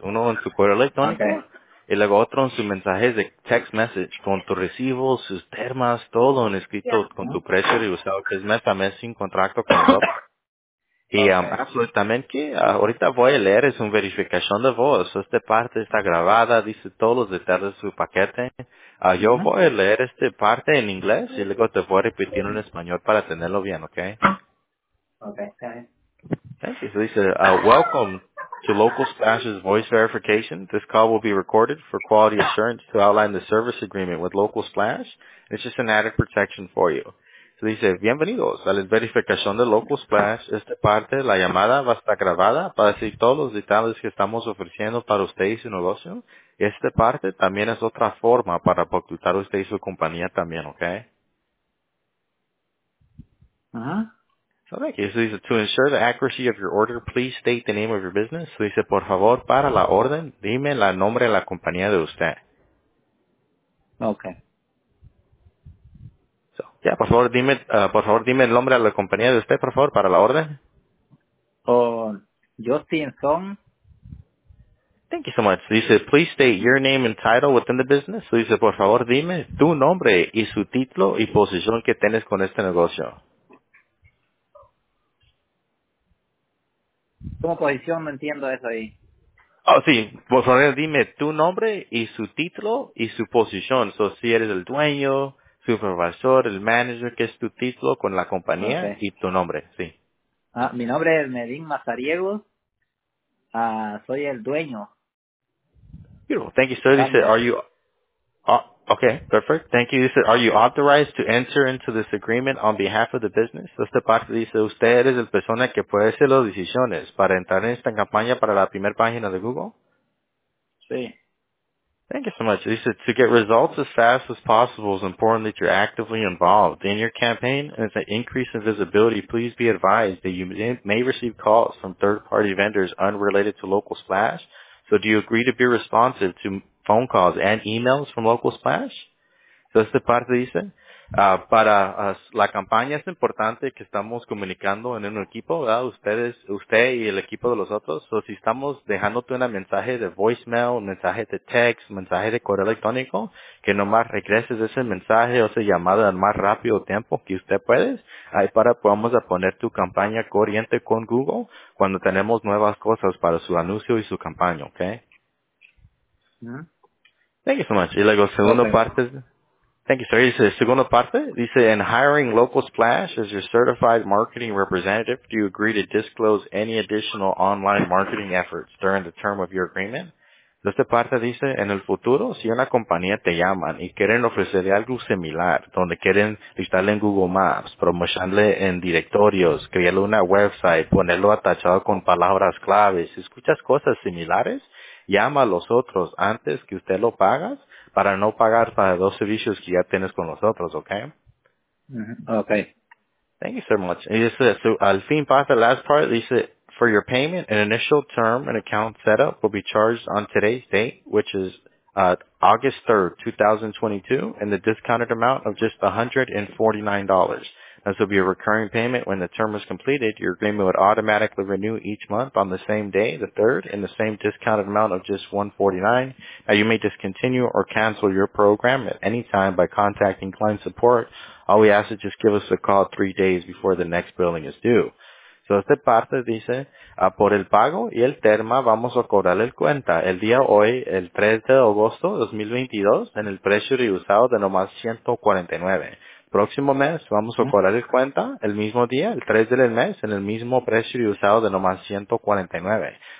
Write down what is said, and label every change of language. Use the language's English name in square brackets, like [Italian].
[Spanish] Uno en su correo electrónico y luego otro en su mensaje de [English] text message [Spanish] con tu recibo, sus termas, todo en escrito con tu precio y usado que es mes a mes sin contrato con el otro. Y absolutamente que ahorita voy a leer, es una verificación de voz. Esta parte está grabada, dice todos los detalles de su paquete. Yo voy a leer esta parte en inglés y luego te voy a repetir en español para tenerlo bien, ¿ok? Okay, [English] thank you. So dice, welcome to Local Stash's voice verification. This call will be recorded for quality assurance to outline the service agreement with Local Stash. It's just an added protection for you. [Spanish] Se dice, bienvenidos a la verificación de Local Splash. Esta parte, la llamada, va a estar grabada para decir todos los detalles que estamos ofreciendo para usted y su negocio. Y esta parte también es otra forma para ocultar usted y su compañía también, ¿ok? Uh-huh. Se dice, [English] to ensure the accuracy of your order, please state the name of your business. [Spanish] Se dice, por favor, para la orden, dime el nombre de la compañía de usted. Okay. Ya, por favor, dime el nombre de la compañía de usted, por favor, para la orden. Justin Song. [English] Thank you so much. Dice, please state your name and title within the business. [Spanish] Dice, por favor, dime tu nombre y su título y posición que tienes con este negocio. ¿Cómo posición? No entiendo eso ahí. Oh, sí. Por favor, dime tu nombre y su título y su posición. So, si eres el dueño... supervisor, el manager, que es tu título con la compañía y tu nombre, sí. Ah, mi nombre es Medín Mazariegos. Ah, soy el dueño. [English] Beautiful. Thank you, sir. [Spanish] Gracias. [English] Dice, are you... okay, perfect. Thank you. Dice, are you authorized to enter into this agreement on behalf of the business? [Spanish] Esta parte dice, usted es la persona que puede hacer las decisiones para entrar en esta campaña para la primera página de Google. Sí. [English] Thank you so much. He said, to get results as fast as possible, it's important that you're actively involved in your campaign. And as an increase in visibility, please be advised that you may receive calls from third-party vendors unrelated to Local Splash. So do you agree to be responsive to phone calls and emails from Local Splash? So that's the part that he said. [Spanish] Para la campaña es importante que estamos comunicando en un equipo, ¿verdad? Ustedes, usted y el equipo de los otros. So, si estamos dejándote un mensaje de voicemail, mensaje de text, mensaje de correo electrónico, que nomás regreses ese mensaje o esa llamada al más rápido tiempo que usted puede, ahí para podamos poner tu campaña corriente con Google cuando tenemos nuevas cosas para su anuncio y su campaña, ¿ok? Mm-hmm. [English] Thank you so much. [Spanish] Y luego, segunda parte... [English] Thank you, sir. [Spanish] Dice, segunda parte, dice, [English] in hiring Local Splash as your certified marketing representative, do you agree to disclose any additional online marketing efforts during the term of your agreement? [Spanish] Esta parte dice, en el futuro, si una compañía te llaman y quieren ofrecerle algo similar, donde quieren listarle en Google Maps, promocionarle en directorios, crearle una website, ponerlo atachado con palabras claves, si escuchas cosas similares, llama a los otros antes que usted lo pagas para no pagar para dos servicios que ya tienes con los otros, ¿ok? Ok. [English] Thank you so much. [Spanish] Y dice, [English] so, [Spanish] al fin pasa, [English] last part, dice, for your payment, an initial term and account setup will be charged on today's date, which is August 3rd, 2022, and the discounted amount of just $149. This will be a recurring payment when the term is completed. Your agreement would automatically renew each month on the same day, the 3rd, and the same discounted amount of just $149. Now, you may discontinue or cancel your program at any time by contacting client support. All we ask is just give us a call 3 days before the next billing is due. [Spanish] So, esta parte dice, por el pago y el termo vamos a cobrar el cuenta el día hoy, el 3 de agosto 2022, en el precio reusado de nomás $149. Próximo mes vamos a cobrar el cuenta el mismo día, el 3 del mes, en el mismo precio reusado de nomás $149.